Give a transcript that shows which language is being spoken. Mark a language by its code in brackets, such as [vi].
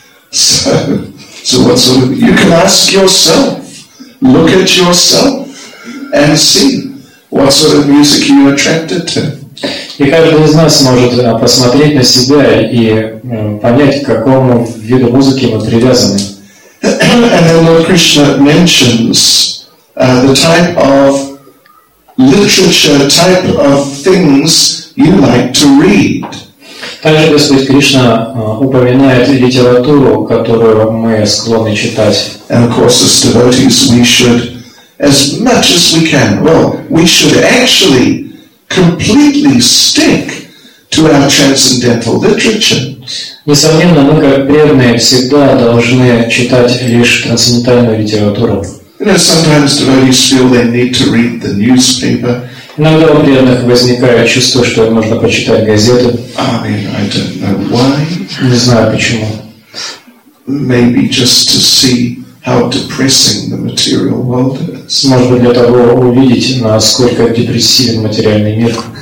[en] So what sort of, you can ask yourself, look at yourself and see what sort of music you're attracted to. [ru] И каждый из нас может посмотреть на себя и понять, к какому виду музыки мы привязаны. [en] And then Lord Krishna mentions the type of literature, type of things you like to read. [ru] Также Господь Кришна упоминает литературу, которую мы склонны читать. [en] And of course, as devotees, we should, as much as we can, well, we should actually completely stick to our transcendental literature. [ru] Несомненно, мы, как преданные, всегда должны читать лишь трансцендентальную литературу. [en] Sometimes devotees feel they need to read the newspaper. [ru] Иногда у преданных возникает чувство, что им нужно почитать газеты. [en] I mean, I don't know why. [ru] Не знаю почему. [en] Maybe just to see how depressing the material world is. [ru] Может быть, для того, увидеть, насколько депрессивен материальный мир.